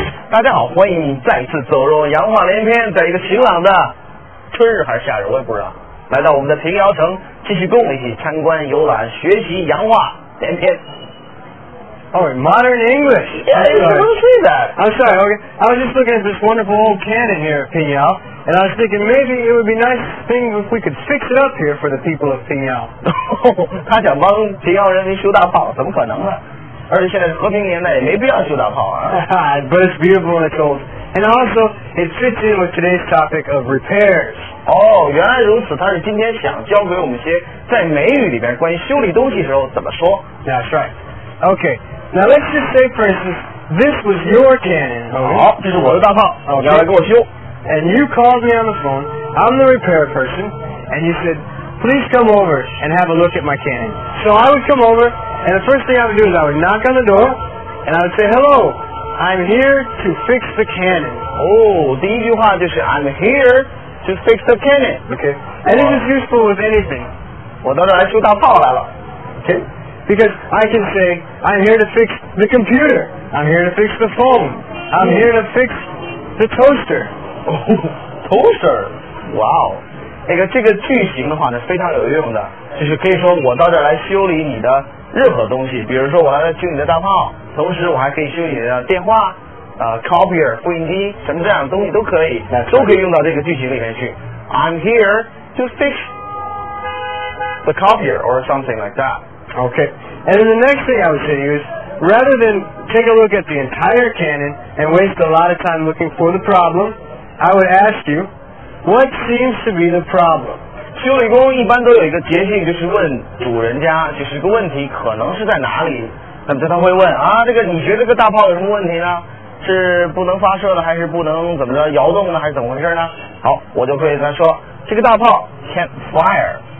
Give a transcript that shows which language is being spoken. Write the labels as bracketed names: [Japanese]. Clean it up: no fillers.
[Chinese] 大家好，欢迎再次走入洋画连篇，在一个晴朗的春日还是夏日我也不知道，来到我们的平遥城，继续跟我们一起参观游览学习洋画连篇。 [English] Oh, modern English. Yeah, you don't say that. I'm sorry, okay. I was just looking at this wonderful old cannon here at Pinhal, and I was thinking maybe it would be nice thing if we could fix it up here for the people of Pinhal. [Chinese] 他想帮Pinhal人民修大炮，怎么可能呢？而且现在和平年代也没必要修大炮啊。 [English] But it's beautiful and it's old. And also, it fits in with today's topic of repairs. [Chinese] Oh, 原来如此，他是今天想教给我们一些在美语里边关于修理东西的时候怎么说。 [English] That's right. Okay. Now let's just say, for instance, this was your cannon. [Chinese] 好，这是我的大炮。 [English] Okay. [Chinese] 你要来给我修。 [English] And you called me on the phone. I'm the repair person. And you said, please come over and have a look at my cannon. So I would come over, and the first thing I would do is I would knock on the door, and I would say, hello, I'm here to fix the cannon. [Chinese] Oh, 第一句话就是 [English] I'm here to fix the cannon. Okay. And it was useful with anything. [Chinese] 我到这来修大炮来了。 [English] Okay. Because I can say, I'm here to fix the computer. I'm here to fix the phone. I'm here to fix the toaster. Oh, toaster. Wow. [Chinese] 那个这个句型的话呢非常有用的。就是可以说我到这儿来修理你的任何东西。比如说我来修你的大炮。同时我还可以修理你的电话、copier, 复印机什么这样的东西都可以。都可以用到这个句型里面去。 [English] I'm here to fix the copier or something like that. Okay, and then the next thing I would say to you is, rather than take a look at the entire cannon and waste a lot of time looking for the problem, I would ask you, what seems to be the problem? [Chinese] 修理工一般都有一个捷径，就是问主人家，就是一个问题可能是在哪里。那么他会问啊，这个你觉得这个大炮有什么问题呢？是不能发射的，还是不能怎么着摇动的，还是怎么回事呢？好，我就会跟他说，这个大炮 [English] can't fire.